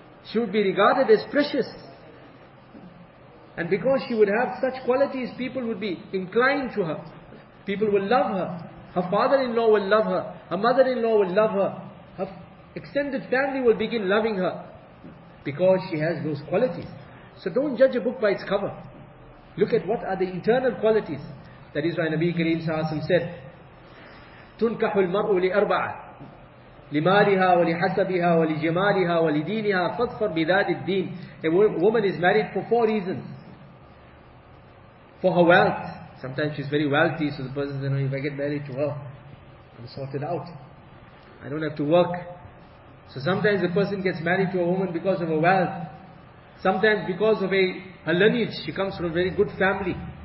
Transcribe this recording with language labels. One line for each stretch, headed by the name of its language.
English: She would be regarded as precious. And because she would have such qualities, people would be inclined to her. People will love her. Her father-in-law will love her. Her mother-in-law will love her. Her extended family will begin loving her. Because she has those qualities. So don't judge a book by its cover. Look at what are the internal qualities. That is why Nabi Kareem Sahasim said,
Arabic: تُنْكَحُ الْمَرْءُ لِأَرْبَعَ لِمَالِهَا وَلِحَسَبِهَا وَلِجِمَالِهَا وَلِدِينِهَا فَظْفَرْ بِذَادِ الدِّينِ.
English: A woman is married for four reasons. For her wealth. Sometimes she's very wealthy, so the person says, if I get married to her, I'm sorted out. I don't have to work. So sometimes the person gets married to a woman because of her wealth. Sometimes because of her lineage, she comes from a very good family.